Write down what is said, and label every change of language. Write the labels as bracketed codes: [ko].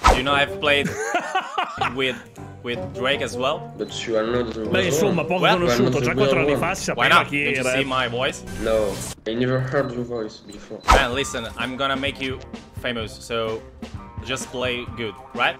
[en] Do you know I've played with Drake as well? But you are not... [it] Beh, insomma, poco conosciuto, già 4 anni fa si sapeva chi era. [en] Why not? Did you see my voice? No, I never heard your voice before. Man, listen, I'm gonna make you famous, so just play good, right?